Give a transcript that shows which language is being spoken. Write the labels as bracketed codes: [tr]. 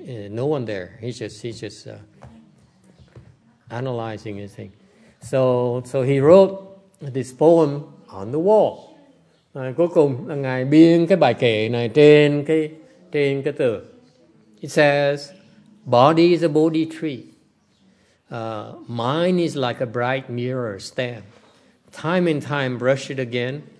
[en] No one there. He's just analyzing his thing. So he wrote this poem on the wall. [vi] À, cuối cùng là ngài biên cái bài kệ này trên cái tường. [en] It says, "Body is a Bodhi tree. Mind is like a bright mirror stand. Time and time brush it again.